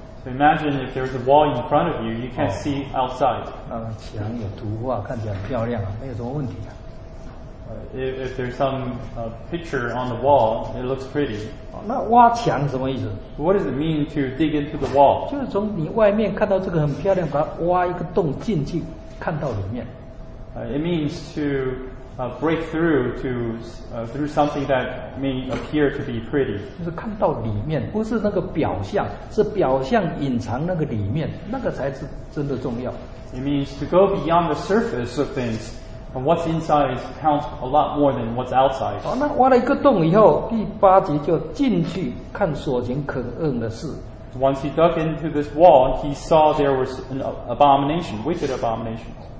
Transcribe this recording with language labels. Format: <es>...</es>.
<en>So imagine if there's a wall in front of you, you can't see outside.</en> <zh>墙有图画，看起来很漂亮，没有什么问题。</zh> <en>If there's some picture on the wall, it looks pretty.</en> <zh>那挖墙什么意思？</zh> <en>What does it mean to dig into the wall?</en> <zh>就是从你外面看到这个很漂亮，把它挖一个洞进去，看到里面。</zh> <en>It means to break through to through something that may appear to be pretty.</en> <zh>就是看到里面，不是那个表象，是表象隐藏那个里面，那个才是真的重要。</zh> <en>It means to go beyond the surface of things, and what's inside counts a lot more than what's outside.</en> <zh>好，那挖了一个洞以后，第八节就进去看所行可恶的事。</zh> <en>Once he dug into this wall, he saw there was an abomination, wicked abomination.</en>